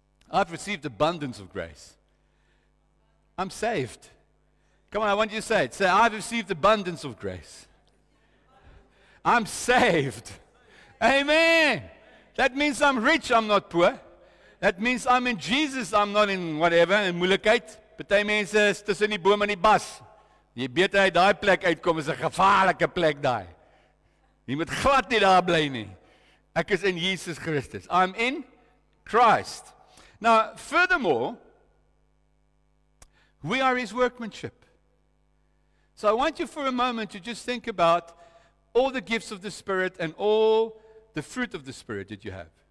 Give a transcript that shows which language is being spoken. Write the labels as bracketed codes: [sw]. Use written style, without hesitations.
[en] I've received abundance of grace. I'm saved. Come on, I want you to say it. Say, I've received abundance of grace. I'm saved. Amen. That means I'm rich, I'm not poor. That means I'm in Jesus, I'm not in whatever, [af] in moeilikheid. [en] But that means it's [af] tussen die boom [en] and [af] die bas. Jy beter uit die plek uitkom, is 'n gevaarlike plek daai. Jy moet glad nie daar bly nie. Ek is in Jesus Christus. [en] I'm in Christ. Now, furthermore, we are his workmanship. So I want you for a moment to just think about all the gifts of the Spirit and all the fruit of the Spirit that you have.